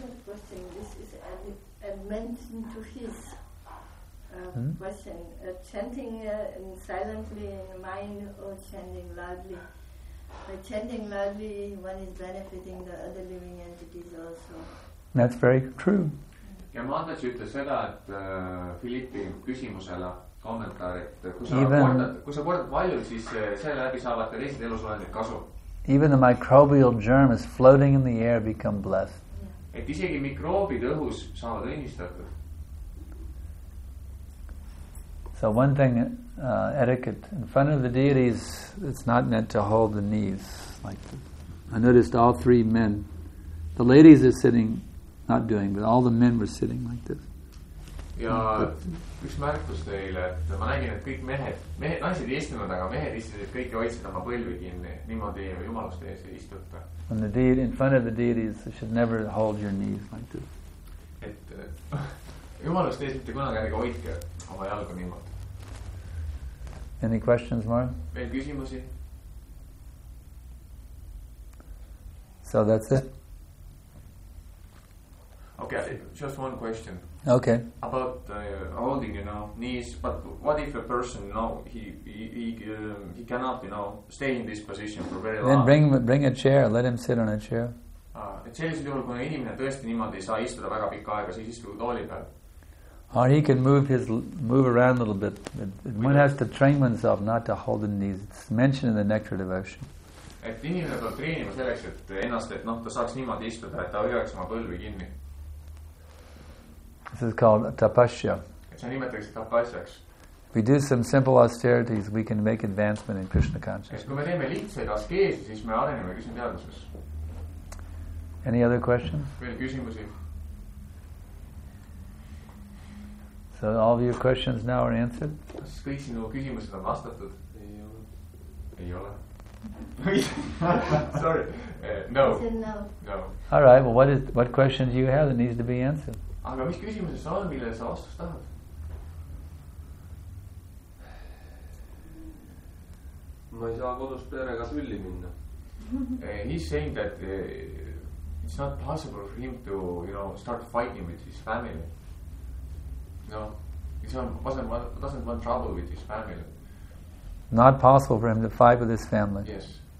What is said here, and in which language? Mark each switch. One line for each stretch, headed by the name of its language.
English: Question, this is a mention to his question. Chanting silently in mind or chanting loudly? By chanting loudly, one is benefiting the other living entities also. That's very true.
Estonian: Ja ma andas ütles seda, et Filippi küsimusele kommentaar, et kui sa kordad valju, siis selle läbi saavad ka teised elusolendid kasu.
English: Even the microbial germ is floating in the air become blessed.
Estonian: Et isegi mikroobid õhus saavad õnnistatud.
English: So one thing, etiquette, in front of the deities, it's not meant to hold the knees. Like this. I noticed all three men, the ladies are sitting, not doing, but all the men were sitting like this.
Estonian: Ja üks märkus teile, et ma nägin, et kõik mehed, naised ei istunud, aga mehed istusid, et kõik hoidsid oma põlvi kinni, niimoodi jumalust ees ei istuta.
English: And the deed, in front of the deities, you should never hold your knees like this.
Estonian: Et jumalust ees mitte kunagi ärge hoidke oma jalgu niimoodi.
English: Any questions, Mark?
Estonian: Veel küsimusi?
English: So that's it? Okay, just one question. Okay. About holding, you know, knees. But what if a person, you know, he cannot, you know, stay in this position for very long? Then bring a chair. Let him sit on a chair.
Estonian: Et sellisel juhul, kui inimene tõesti niimoodi ei saa istuda väga pikka aega, siis istuda tooli peal.
English: Or he can move around a little bit. One has to train oneself not to hold the knees. It's mentioned in the Nectar Devotion.
Estonian: Et inimene peab treenima selleks, et ennast, et noh, ta saaks niimoodi istuda, et ta hoiaks oma põlvi kinni.
English: This is called tapasya.
Estonian: See nimetakse tapasjaks.
English: If we do some simple austerities, we can make advancement in Krishna consciousness.
Estonian: Kui me teeme lihtsaid askeesi, siis me areneme Krishna teadvuses.
English: Any other questions?
Estonian: Veel küsimusi.
English: So all of your questions now are answered?
Estonian: Kõik sinu küsimused on vastatud. Ei ole.
English: Sorry. No. All right, well, what question do you have that needs to be answered?
Estonian: Aga mis küsimuses sa on, mille sa vastust tahad? Ma ei saa kodus perega sülli minna.
English: He's saying that it's not possible for him to, you know, start fighting with his family. No. Doesn't want trouble with his family. Not possible for him to fight with his family. Yes.